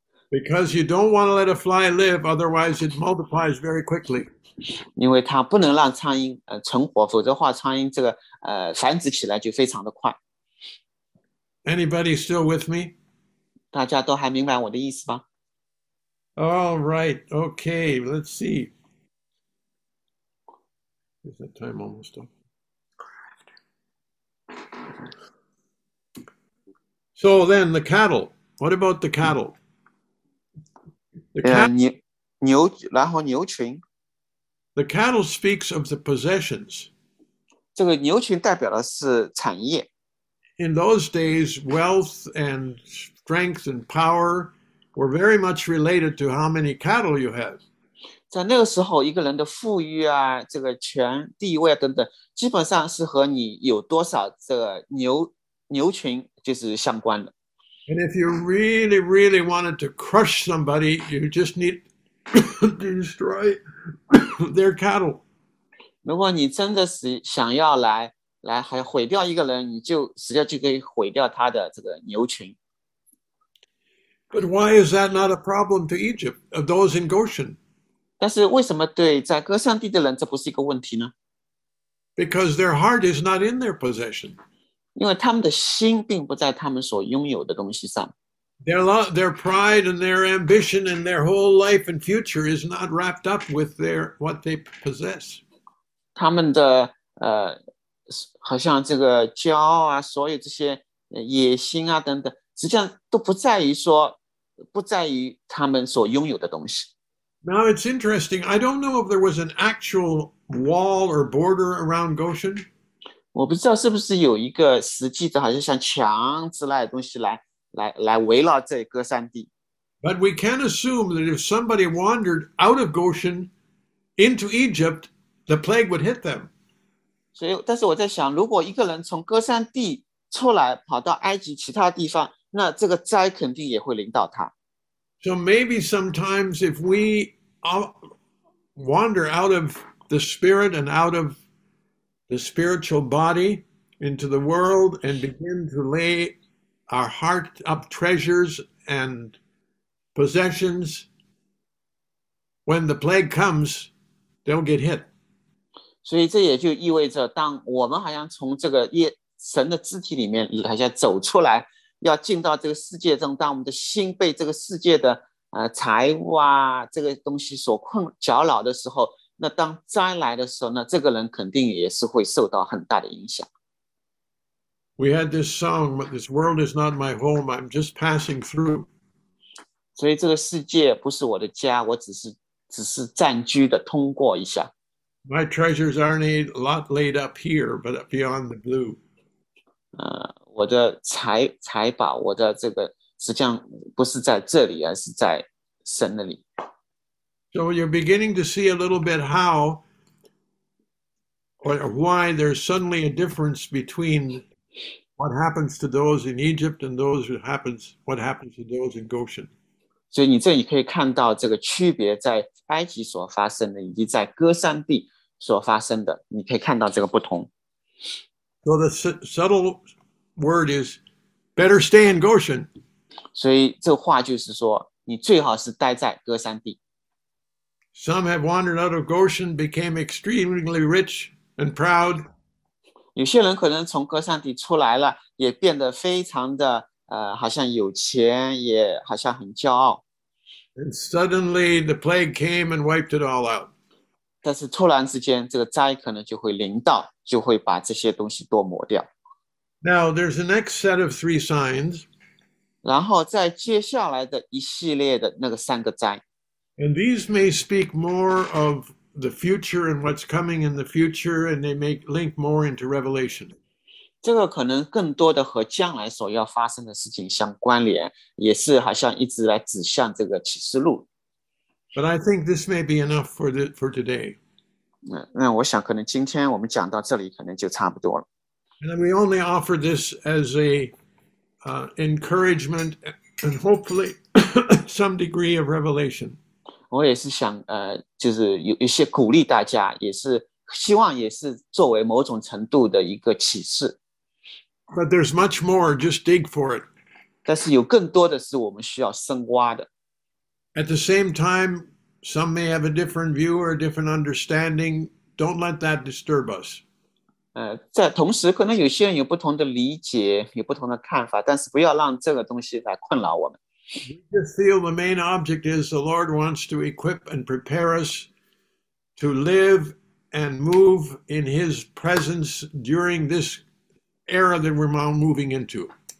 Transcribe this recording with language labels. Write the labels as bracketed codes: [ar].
[en] Because you don't want to let a fly live, otherwise it multiplies very quickly. [zh] 因为它不能让苍蝇存活，否则的话苍蝇繁殖起来就非常的快。 [en] Anybody still with me? [zh] 大家都还明白我的意思吗? [en] All right, okay, let's see. Is that time almost up? So then, the cattle. What about the cattle? The cattle speaks of the possessions. [zh] 这个牛群代表的是产业。 [en] In those days, wealth and strength and power were very much related to how many cattle you had. [zh] 在那个时候，一个人的富裕啊，这个权地位啊等等，基本上是和你有多少这个牛群就是相关的。 [en] And if you really, really wanted to crush somebody, you just need to destroy their cattle. [zh] 如果你真的是想要来还毁掉一个人，你就直接就可以毁掉他的这个牛群。 [en] But why is that not a problem to Egypt, of those in Goshen? [zh] 但是为什么对在歌山地的人这不是一个问题呢？ [en] Because their heart is not in their possession. [zh] 因为他们的心并不在他们所拥有的东西上。 [en] Their pride and their ambition and their whole life and future is not wrapped up with their what they possess. [zh] 他们的好像这个骄傲啊，所有这些野心啊等等，实际上都不在于他们所拥有的东西。 [en] Now it's interesting. I don't know if there was an actual wall or border around Goshen. [zh] 我不知道是不是有一个实际的，好像像墙之类的东西来围绕这歌山地。 [en] But we can assume that if somebody wandered out of Goshen into Egypt, the plague would hit them. [zh] 所以，但是我在想，如果一个人从歌山地出来，跑到埃及其他地方，那这个灾肯定也会临到他。 [en] So maybe sometimes if we wander out of the spirit and out of the spiritual body into the world and begin to lay our heart up treasures and possessions, when the plague comes, they'll get hit. [zh] 所以这也就意味着，当我们好像从这个神的肢体里面好像走出来，要进到这个世界中，当我们的心被这个世界的财物啊这个东西所困搅扰的时候，那当灾来的时候呢，这个人肯定也是会受到很大的影响。 [en] We had this song, but this world is not my home, I'm just passing through. [zh] 所以这个世界不是我的家，我只是暂居的，通过一下。 [en] My treasures aren't a lot laid up here, but beyond the blue. [zh] 我的财宝，我的这个实际上不是在这里，而是在神那里。 [en] So you're beginning to see a little bit how or why there's suddenly a difference between what happens to those in Egypt and those who happens what happens to those in Goshen. [zh] 所以你这里可以看到这个区别，在埃及所发生的，以及在歌山地所发生的，你可以看到这个不同。 [en] So the subtle word is better stay in Goshen. [zh] 所以这话就是说，你最好是待在歌山地。 [en] Some have wandered out of Goshen, became extremely rich and proud. [zh] 有些人可能从歌山地出来了，也变得非常的好像有钱，也好像很骄傲。 [en] And suddenly the plague came and wiped it all out. [zh] 但是突然之间，这个灾可能就会临到，就会把这些东西都抹掉。 [en] Now there's the next set of three signs. [zh] 然后在接下来的一系列的那个三个灾， [en] And these may speak more of the future and what's coming in the future, and they may link more into Revelation. [zh] 这个可能更多的和将来所要发生的事情相关联，也是好像一直来指向这个启示录。 [en] But I think this may be enough for today. [zh] 那我想可能今天我们讲到这里，可能就差不多了。 [en] And we only offer this as a encouragement and hopefully some degree of revelation. [zh] 我也是想，就是有一些鼓励大家，也是希望，也是作为某种程度的一个启示。 [en] But there's much more, just dig for it. [zh] 但是有更多的是我们需要深挖的。 [en] At the same time, some may have a different view or a different understanding. Don't let that disturb us. [zh] 在同时，可能有些人有不同的理解，有不同的看法，但是不要让这个东西来困扰我们。 [en] We just feel the main object is the Lord wants to equip and prepare us to live and move in His presence during this era that we're now moving into.